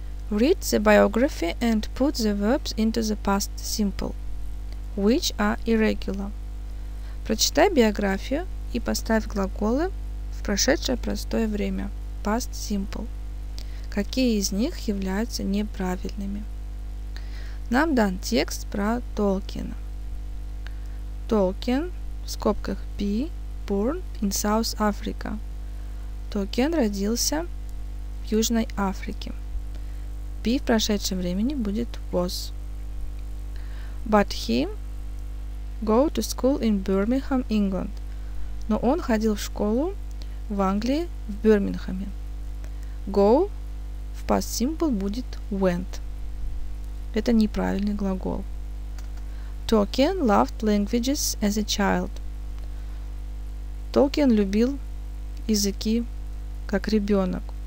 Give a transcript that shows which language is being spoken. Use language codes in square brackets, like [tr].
[en] Read the biography and put the verbs into the past simple, which are irregular. [ru] Прочитай биографию и поставь глаголы в прошедшее простое время. [en] Past simple. [ru] Какие из них являются неправильными? Нам дан текст про Толкина. Толкин в скобках [en] P born in South Africa. [ru] Толкин родился в Южной Африке. P в прошедшем времени будет was. [en] But he go to school in Birmingham, England. [ru] Но он ходил в школу в Англии в Бирмингеме. Go в past simple будет went. Это неправильный глагол. [en] Tolkien loved languages as a child. [ru] Tolkien любил языки как ребенок.